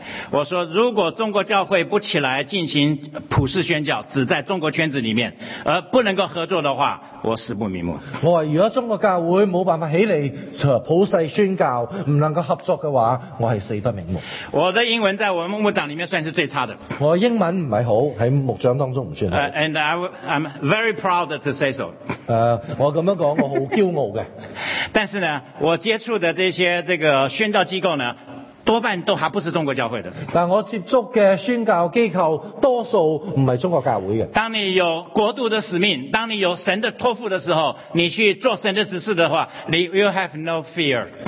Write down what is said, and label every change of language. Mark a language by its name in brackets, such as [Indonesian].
[Chinese] 我说，如果中国教会不起来进行普世宣教，只在中国圈子里面，而不能够合作的话，我死不瞑目。我说，如果中国教会没办法起来普世宣教，不能够合作的话，我是死不瞑目。我的英文在我们牧长里面算是最差的。我英文不是好，在牧长当中不算好。 [English] And I'm very proud to say so。 [Chinese] 我这么说，我很骄傲的。但是呢，我接触的这些这个宣教机构呢，多半都还不是中国教会的。但我接触的宣教机构多数不是中国教会的。当你有国度的使命，当你有神的托付的时候，你去做神的指示的话，你 [English] will have no fear。